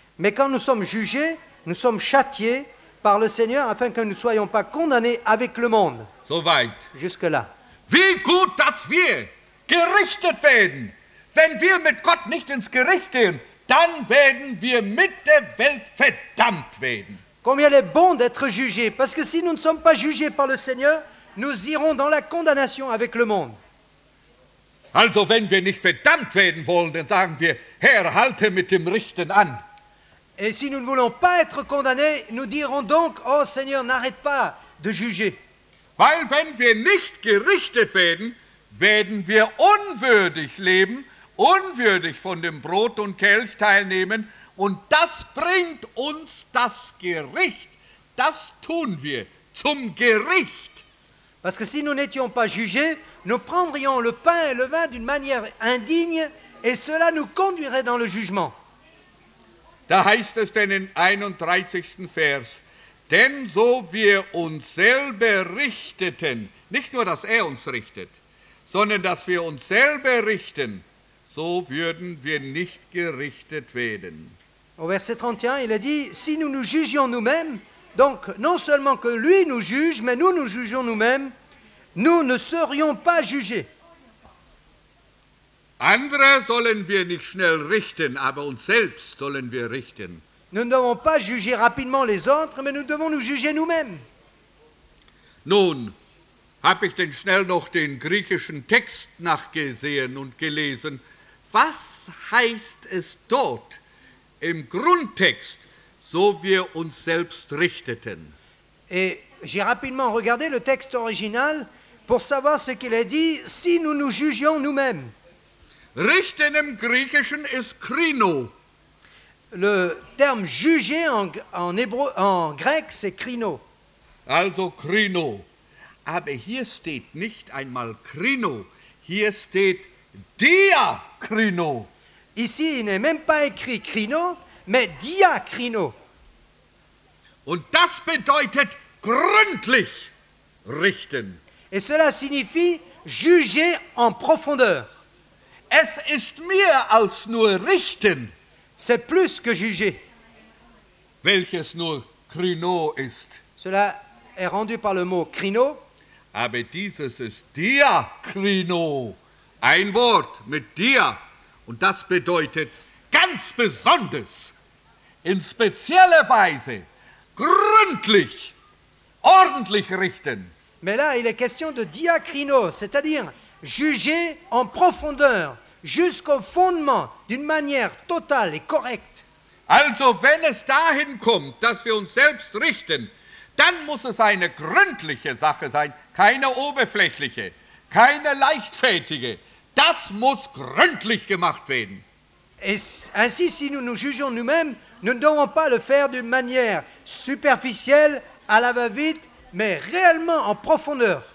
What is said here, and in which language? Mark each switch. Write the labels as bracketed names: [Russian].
[French] Mais quand nous sommes jugés, nous sommes châtiés par le Seigneur afin que nous ne soyons pas condamnés avec le monde. [German] Soweit. [French] Jusque-là. [German] Wie gut, dass wir gerichtet werden. Wenn wir mit Gott nicht ins Gericht gehen, dann werden wir mit der Welt verdammt werden. [French] Combien est bon d'être jugé, parce que si nous ne sommes pas jugés par le Seigneur, nous irons dans la condamnation avec le monde. [German] Also, wenn wir nicht verdammt werden wollen, dann sagen wir, Herr, halte mit dem Richten an. [French] Et si nous ne voulons pas être condamnés, nous dirons donc, oh Seigneur, n'arrête pas de juger. [German] Weil wenn wir nicht gerichtet werden, werden wir unwürdig leben, unwürdig von dem Brot und Kelch teilnehmen, und das bringt uns das Gericht. Das tun wir zum Gericht. [French] Parce que si nous n'étions pas jugés, nous prendrions le pain et le vin d'une manière indigne, et cela nous conduirait dans le jugement. [German] Da heißt es denn im 31. Vers, denn so wir uns selber richteten, nicht nur, dass er uns richtet, sondern dass wir uns selber richten, so würden wir nicht gerichtet werden. [French] Au verset 31, il a dit, si nous nous jugions nous-mêmes, donc non seulement que lui nous juge, mais nous nous jugions nous-mêmes, nous ne serions pas jugés. [German] Andere sollen wir nicht schnell richten, aber uns selbst sollen wir richten. [French] Nous ne devons pas juger rapidement les autres, mais nous devons nous juger nous-mêmes. [German] Nun, habe ich denn schnell noch den griechischen Text nachgesehen und gelesen. Was heißt es dort im Grundtext, so wir uns selbst richteten? [French] Et j'ai rapidement regardé le texte original pour savoir ce qu'il a dit, si nous nous jugions nous-mêmes. [German] Richten im Griechischen ist krino. [French] Le terme juger en grec, c'est krino. [German] Also krino. Aber hier steht nicht einmal krino, hier steht diakrino. [French] Ici, il n'est même pas écrit krino, mais diakrino. [German] Und das bedeutet gründlich richten. [French] Et cela signifie juger en profondeur. [German] Es ist mehr als nur richten. [French] C'est plus que juger. [German] Welches nur krino ist. [French] Cela est rendu par le mot krino. [German] Aber dieses ist diakrino. Ein Wort mit dir. Und das bedeutet ganz besonders, in spezieller Weise, gründlich, ordentlich richten. [French] Mais là, il est question de diakrino, c'est-à-dire juger en profondeur. Jusqu'au fondement, d'une manière totale et correcte. [German] Also, wenn es dahin kommt, dass wir uns selbst richten, dann muss es eine gründliche Sache sein, keine oberflächliche, keine leichtfertige. Das muss gründlich gemacht werden. [French] Et ainsi, si nous nous jugeons nous-mêmes, nous ne devons pas le faire d'une manière superficielle, à la va-vite, mais réellement en profondeur.